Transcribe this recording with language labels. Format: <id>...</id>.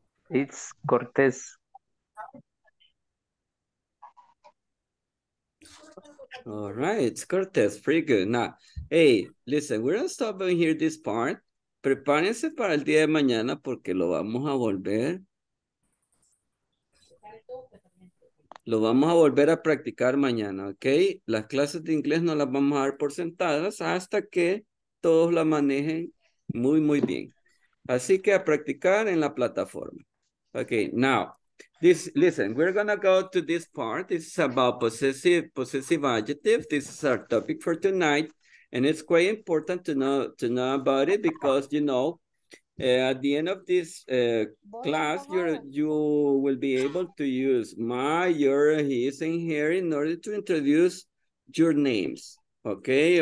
<en>It's Cortez. All right, it's Cortez. Pretty good. Now, hey, listen, we're going to stop and hear this part.</en> <es>Prepárense para el día de mañana porque lo vamos a volver. Lo vamos a volver a practicar mañana, ¿ok? Las clases de inglés no las vamos a dar por sentadas hasta que todos la manejen muy, muy bien. Así que a practicar en la plataforma.</es> <en>Ok, now, this, listen, we're going to go to this part. This is about possessive adjectives. This is our topic for tonight. And it's quite important to know about it because, you know, at the end of this class, you will be able to use my, your, his, and her in order to introduce your names, okay?</en>